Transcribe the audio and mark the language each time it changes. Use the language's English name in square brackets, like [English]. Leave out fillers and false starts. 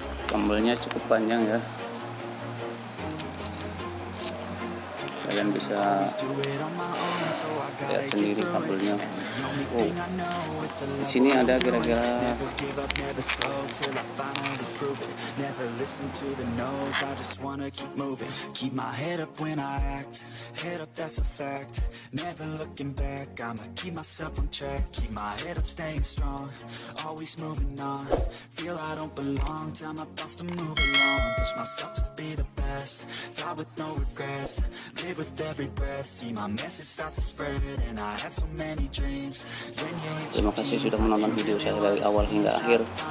[Indonesian] Kabelnya cukup panjang ya. kalian bisa lihat sendiri tampilnya. Oh, di sini ada kira-kira 5 [English] head up when I act, head up that's a fact, never looking back, I'ma keep myself on track, keep my head up staying strong, always moving on, feel I don't belong, tell my thoughts to move along, push myself to be the best, die with no regrets, live with every breath, see my message starts to spread, and I had so many dreams, when you. [Indonesian] Terima kasih sudah menonton video saya dari awal hingga akhir.